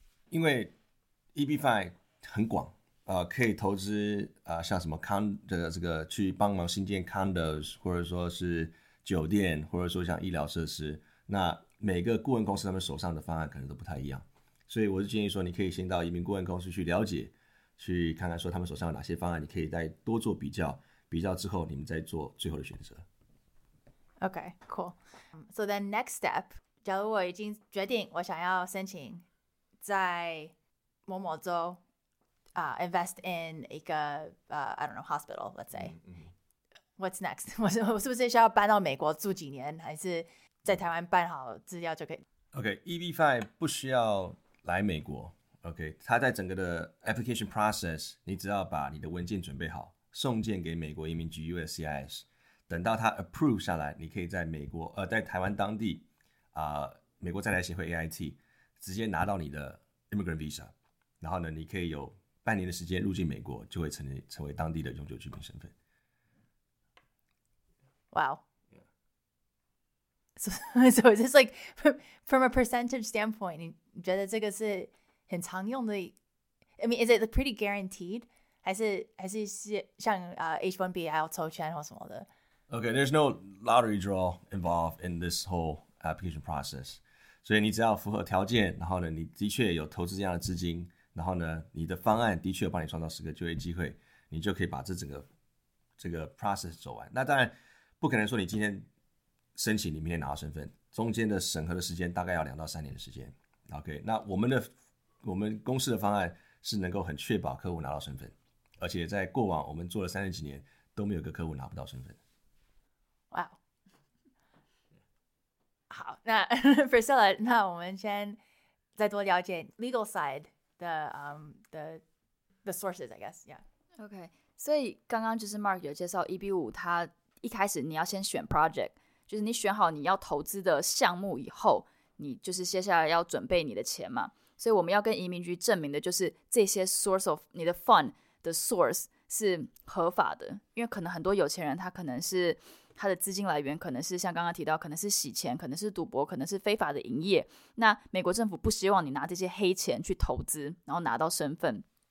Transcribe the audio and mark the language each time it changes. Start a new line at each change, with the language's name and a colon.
Chinese: 因为 EB-5 很广，可以投资像什么 condo 这个去帮忙新建 condos 或者说是酒店或者说像医疗设施，那每个顾问公司他们手上的方案可能都不太一样，所以我是建议说你可以先到移民顾问公司去了解，去看看说他们手上有哪些方案，你可以再多做比较之后你们再做最后的选择。
English: OK, cool. So then next step,
Chinese: 假如我已经决定我想要申请在某某州invest in 一个
English: I don't know, hospital, let's say. What's next?
Chinese: 我是不是需要搬到美国住几年，还是在台湾办好资料就可以？ OK, EB-5 不需要来美国。OK, 它在整个的 application process, 你只要把你的文件准备好送件给美国移民局 USCIS, 等到它 approve 下来，你可以在美国在台湾当地美国在台协会 AIT 直接拿到你的 immigrant visa, 然后呢你可以有半年的时间入境美国，就会成为当地的永久居民身份。
English: Wow. So it's just like from a percentage standpoint,
Chinese: 你觉得这个是很常用的?
English: I mean, is it pretty guaranteed?
Chinese: 还是像H1B, IELTS抽签或什么的?
English: Okay, there's no lottery draw involved in this whole application process.
Chinese: 所以你只要符合条件,然后呢,你的方案的确有帮你创造十个就业机会, 你就可以把这整个process走完。那当然不可能说你今天申请,你明天拿到身份。中间的审核的时间大概要2到3年的时间。Okay, 那我们公司的方案是能够很确保客户拿到身份。而且在过往我们做了30几年,都没有个客户拿不到身份。好, 那 Priscilla, 那我们先再多了解 legal side 的
English: the sources, I guess,
Chinese: yeah. Okay, 所以刚刚就是 Mark 有介绍 EB5, 他一开始你要先选 project, 就是你选好你要投资的项目以后, 你就是接下来要准备你的钱嘛, 所以我们要跟移民局证明的就是这些 source of 你的 fund 的 source 是合法的, 因为可能很多有钱人他可能是 他的资金来源可能是像刚刚提到，可能是洗钱，可能是赌博，可能是非法的营业。那美国政府不希望你拿这些黑钱去投资，然后拿到身份。